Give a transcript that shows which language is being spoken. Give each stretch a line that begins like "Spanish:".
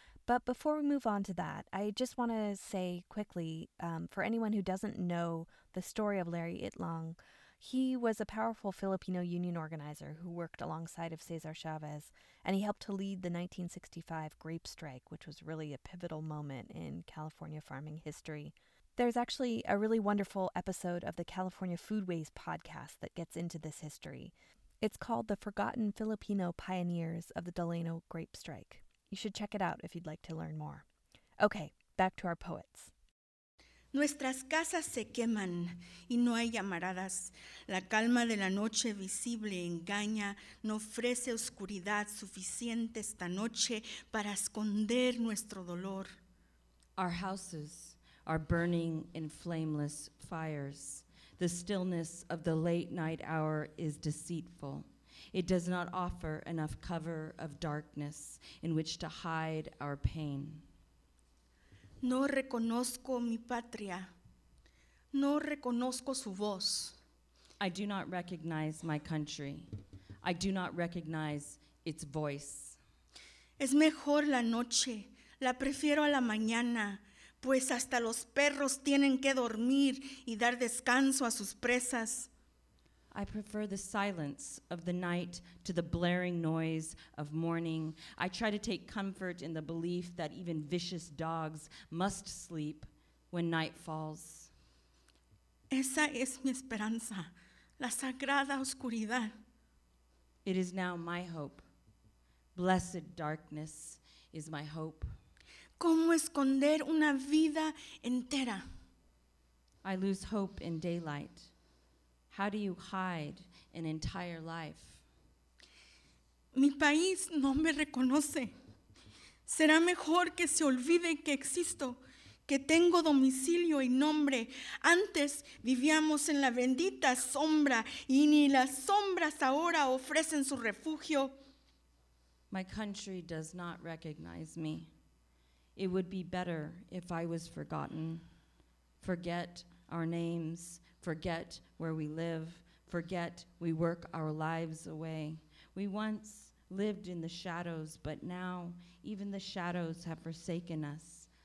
English: But before we move on to that, I just want to say quickly, for anyone who doesn't know the story of Larry Itliong, he was a powerful Filipino union organizer who worked alongside of Cesar Chavez, and he helped to lead the 1965 grape strike, which was really a pivotal moment in California farming history. There's actually a really wonderful episode of the California Foodways podcast that gets into this history. It's called The Forgotten Filipino Pioneers of the Delano Grape Strike. You should check it out if you'd like to learn more. Okay, back to our poets.
Spanish: Nuestras casas se queman y no hay llamaradas. La calma de la noche visible engaña. No ofrece oscuridad suficiente esta noche para esconder nuestro dolor.
English: Our houses are burning in flameless fires. The stillness of the late night hour is deceitful. It does not offer enough cover of darkness in which to hide our pain.
Spanish: No reconozco mi patria. No reconozco su voz.
English: I do not recognize my country. I do not recognize its voice.
Spanish: Es mejor la noche. La prefiero a la mañana. Pues hasta los perros tienen que dormir y dar descanso a sus presas.
English: I prefer the silence of the night to the blaring noise of morning. I try to take comfort in the belief that even vicious dogs must sleep when night falls.
Spanish: Esa es mi esperanza, la sagrada oscuridad.
English: It is now my hope. Blessed darkness is my hope.
Spanish: ¿Cómo esconder una vida entera?
English: I lose hope in daylight. How do you hide an entire life?
Spanish: Mi país no me reconoce. Será mejor que se olvide que existo, que tengo domicilio y nombre. Antes vivíamos en la bendita sombra y ni las sombras ahora ofrecen su refugio.
English: My country does not recognize me. It would be better if I was forgotten. Forget our names, forget where we live, forget we work our lives away. We once lived in the shadows, but now even the shadows have forsaken us.